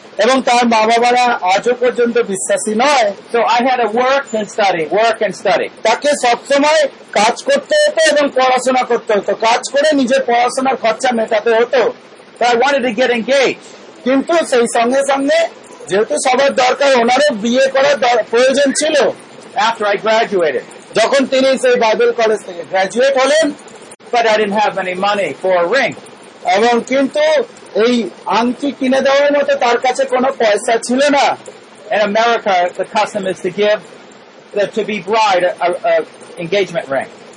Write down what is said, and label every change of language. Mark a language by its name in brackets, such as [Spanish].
[Bangla] এবং তার মা বাবারা আজও পর্যন্ত বিশ্বাসী নয়. [English] So I had to work and study. [Bangla] তাকে সবসময় কাজ করতে হতো এবং পড়াশোনা করতে হতো কাজ করে নিজের পড়াশোনার খরচা মেটাতে হতো. [English] I wanted to get engaged. [Bangla] কিন্তু সেই সঙ্গে সঙ্গে যেহেতু সবার দরকার ওনারও বিয়ে করার প্রয়োজন ছিল. [English] After I graduated. [Bangla] যখন তিনি সেই বাইবেল কলেজ থেকে গ্রাজুয়েট হলেন [English] but I didn't have any money for a ring. [Bangla] এবং কিন্তু এই আংটি কিনে দেওয়ার মতো তার কাছে কোনো পয়সা ছিল না. [English] In America, the custom is to give to be bride an engagement ring.